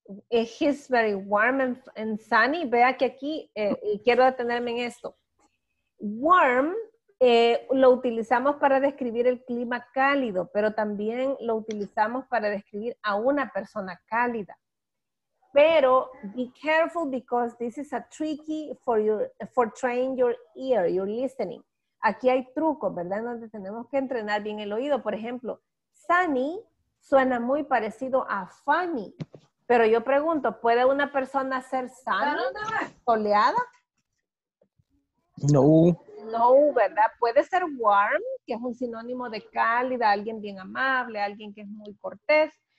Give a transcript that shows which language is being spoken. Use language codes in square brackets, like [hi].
[en] He's very warm and sunny. [es] Vea que aquí, quiero detenerme en esto. Warm, lo utilizamos para describir el clima cálido, pero también lo utilizamos para describir a una persona cálida. [en] Pero, be careful because this is a tricky for your, for train your ear, your listening. [es] Aquí hay trucos, ¿verdad? Donde tenemos que entrenar bien el oído. Por ejemplo, sunny suena muy parecido a funny. Pero yo pregunto, ¿puede una persona ser sana, soleada? No. No, ¿verdad? Puede ser warm, que es un sinónimo de cálida, alguien bien amable, alguien que es muy cortés.